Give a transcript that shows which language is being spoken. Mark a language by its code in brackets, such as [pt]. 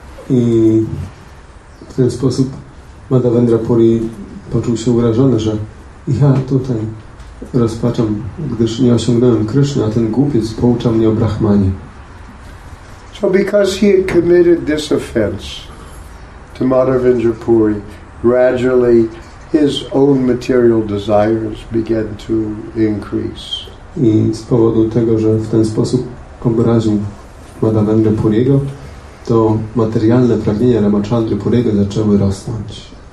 [pl] I w ten sposób Madhavendra Puri poczuł się urażony, że ja tutaj rozpaczam, gdyż nie osiągnąłem Krishna, a ten głupiec poucza mnie o Brahmanie. [en] So because he had committed this offense to Madhavendra Puri, gradually his own material desires began to increase. [pl] I z powodu tego, że w ten sposób obraził Madhavendra Puriego, to materialne pragnienia Ramachandry Puriego zaczęły rosnąć.